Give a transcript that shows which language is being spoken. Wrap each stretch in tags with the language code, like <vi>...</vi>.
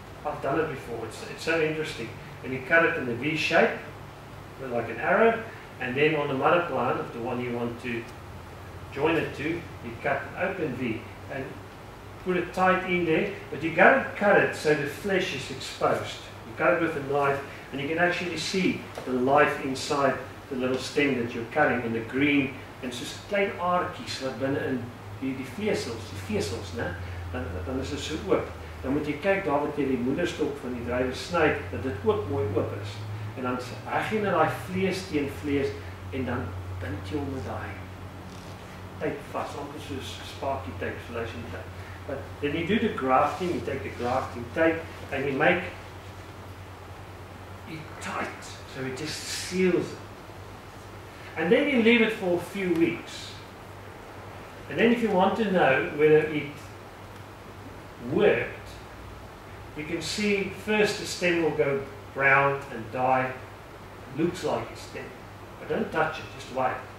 <en>I've done it before, it's so interesting. And you cut it in a V shape, like an arrow, and then on the mother plant of the one you want to join it to, you cut an open V and put it tight in there, but you gotta cut it so the flesh is exposed. You cut it with a knife and you can actually see the life inside the little stem that you're cutting in the green, and it's just</en> <af>klein aardkies wat binne in die vesels, né? Dan is dit so oop. Dan moet jy kyk daar wat jy die moederstok van die druiwe sny, dat dit ook mooi oop is. En dan heg jy nou die vlees teen vlees en dan bind jy hom met daai tyd vas, amper soos sparkie tyd, relation tyd.</af> <en>But then you do the grafting, you take the grafting tape and you make it tight, so it just seals it. And then you leave it for a few weeks. And then if you want to know whether it worked, you can see first the stem will go brown and die, looks like it's dead, but don't touch it, just wait.</en>